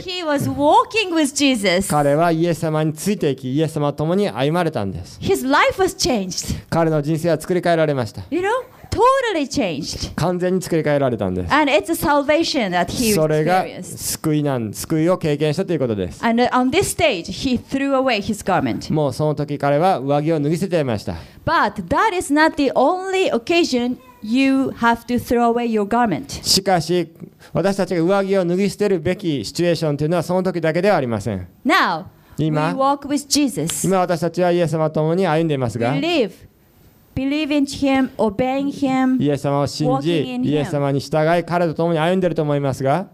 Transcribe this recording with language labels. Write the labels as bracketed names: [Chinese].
[English] Now he was walking with Jesus. [Japanese] 彼はイエス様についていき、イエス様と共に歩まれたんです。 [English] His life was changed. [Japanese] 彼の人生は作り変えられました。 [English] You know? Totally changed. [Japanese] 完全に作り変えられたんです。 [English] And it's a salvation that he experienced. [Japanese] それが救いなん、救いを経験したということです。 [English] And on this stage, he threw away his garment. [Japanese] もうその時彼は上着を脱ぎ捨てていました。 [English] But that is not the only occasion you have to throw away your garment. [Japanese] しかし私たちが上着を脱ぎ捨てるべきシチュエーションというのはその時だけではありません。 [English] Now, [Japanese] 今、 [English] we walk with Jesus. [Japanese] 今私たちはイエス様と共に歩んでいますが、 [English] we live. Believing him, obeying him, [Japanese] イエス様を信じ、イエス様に従い、彼と共に歩んでいると思いますが、